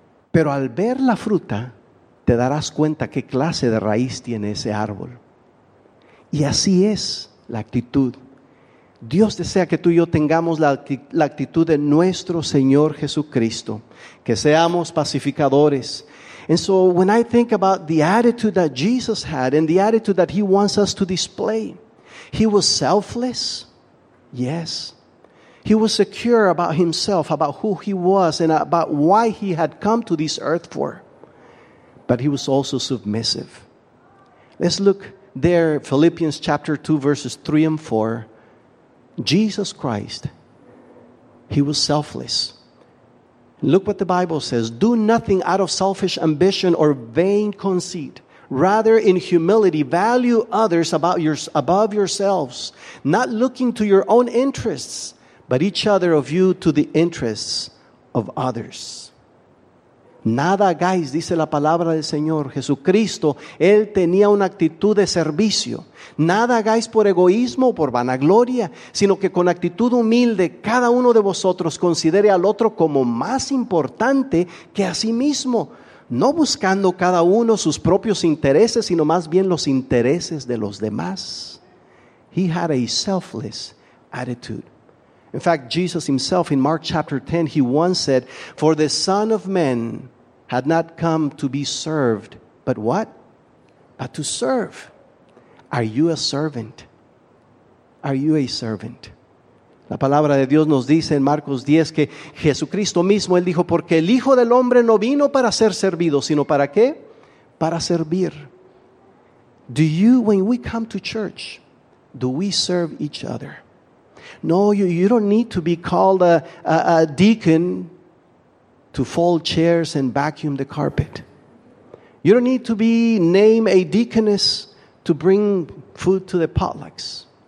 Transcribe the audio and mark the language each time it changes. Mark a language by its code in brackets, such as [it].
[es] Pero al ver la fruta, te darás cuenta qué clase de raíz tiene ese árbol. Y así es la actitud. Dios desea que tú y yo tengamos la actitud de nuestro Señor Jesucristo, que seamos pacificadores. [en] And so when I think about the attitude that Jesus had and the attitude that he wants us to display, he was selfless, yes. He was secure about himself, about who he was and about why he had come to this earth for. But he was also submissive. Let's look there, Philippians chapter 2, verses 3 and 4. Jesus Christ, he was selfless. Look what the Bible says. Do nothing out of selfish ambition or vain conceit. Rather, in humility, value others above yourselves, not looking to your own interests, but each other of you to the interests of others. [es] Nada hagáis, dice la palabra del Señor Jesucristo. Él tenía una actitud de servicio. Nada hagáis por egoísmo o por vanagloria, sino que con actitud humilde cada uno de vosotros considere al otro como más importante que a sí mismo, no buscando cada uno sus propios intereses, sino más bien los intereses de los demás. [en] He had a selfless attitude. In fact, Jesus himself in Mark chapter 10, he once said, for the Son of Man had not come to be served, but what? But to serve. Are you a servant? Are you a servant? [es] La palabra de Dios nos dice en Marcos 10 que Jesucristo mismo, él dijo, porque el Hijo del Hombre no vino para ser servido, sino para qué? Para servir. [en] Do you, when we come to church, do we serve each other? No, you don't need to be called a deacon to fold chairs and vacuum the carpet. You don't need to be named a deaconess to bring food to the potlucks.